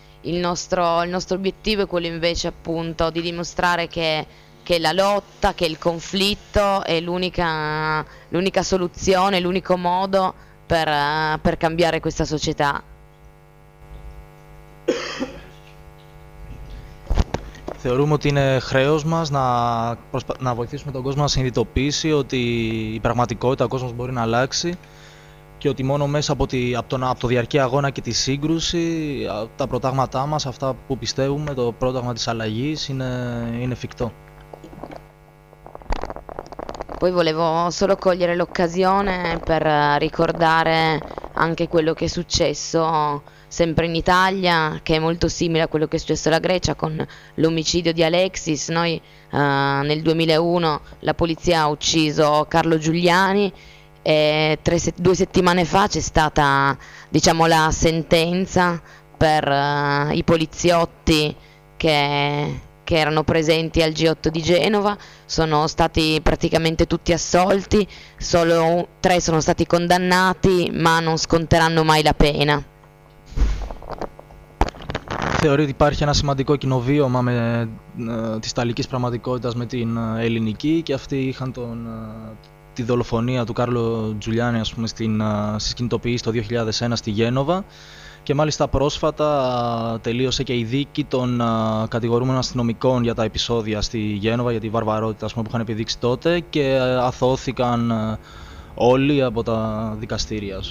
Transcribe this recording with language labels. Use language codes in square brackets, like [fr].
[it] Il nostro obiettivo è quello invece appunto di dimostrare che la lotta, che il conflitto è l'unica soluzione, l'unico modo per cambiare questa società. [el] Θεωρούμε ότι είναι χρέος μας να βοηθήσουμε τον κόσμο να συνειδητοποιήσει ότι η πραγματικότητα, ο κόσμος μπορεί να αλλάξει και ότι μόνο μέσα από το διαρκή αγώνα και τη σύγκρουση, τα προτάγματά μας, αυτά που πιστεύουμε, το πρόταγμα της αλλαγής είναι εφικτό. [it] Poi volevo solo cogliere l'occasione per ricordare anche quello che è successo sempre in Italia, che è molto simile a quello che è successo alla Grecia con l'omicidio di Alexis. Noi nel 2001 la polizia ha ucciso Carlo Giuliani e 2 settimane fa c'è stata, diciamo, la sentenza per i poliziotti che erano presenti al G8 di Genova, sono stati praticamente tutti assolti, solo 3 sono stati condannati, ma non sconteranno mai la pena. [el] Θεωρεί ότι υπάρχει ένα σημαντικό κοινοβίωμα της ιταλικής πραγματικότητας με την ελληνική και αυτοί είχαν τη δολοφονία του Κάρλο Τζουλιάνι, ας πούμε, στις κινητοποιήσεις το 2001 στη Γένοβα. Και μάλιστα πρόσφατα τελείωσε και η δίκη των κατηγορούμενων αστυνομικών για τα επεισόδια στη Γένοβα, για τη βαρβαρότητα, ας πούμε, που είχαν επιδείξει τότε και αθώθηκαν όλοι από τα δικαστήρια.